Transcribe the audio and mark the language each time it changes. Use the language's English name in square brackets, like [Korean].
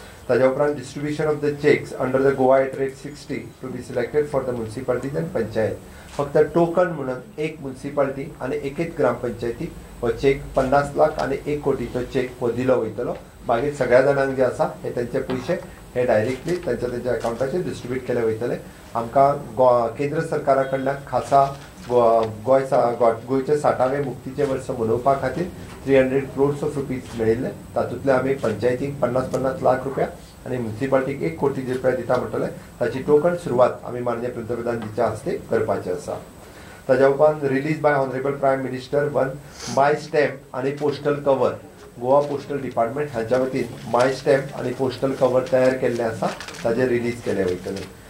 [Konkani] ताज्या उपरांत [English] Distribution of the cheques under the Goa at rate 60 to be selected for the municipalities and panchayat. [Konkani] फक्त टोकन म्हणून एक म्युनिसिपालिटी आनी एकच ग्राम पंचायतीक हो चेक 50 लाख आनी 1 कोटीचो चेक हो दिलो वयतलो. मागीर सगळ्या जाणांक जे आसा हे तांचे पयशे हे डायरेक्टली तांच्या तांच्या अकाउंटाचेर डिस्ट्रिब्यूट केले वयतले. आमकां केंद्र सरकारा कडल्यान खासा गोंयच्या 60वे मुक्तीचे वर्ष मनोवपा खातीर 300 crore rupees मेळिल्ले. तातूंतले आमी पंचायतीक 50 लाख रुपया आनी म्युनिसिपालिटीक 1 कोटी रुपया दिता म्हणटले. ताची टोकन सुरवात आमी माननीय पंतप्रधानजीच्या हस्ते करपाचे आसा. ताज्या उपरांत [English] Release by honourable prime minister 1 my stamp आनी postal cover. [Konkani] Goa postal department हांच्या वतीन माय स्टॅम्प आनी पोस्टल कवर तयार केल्ले आसा ताजे रिलीज केले वयतले.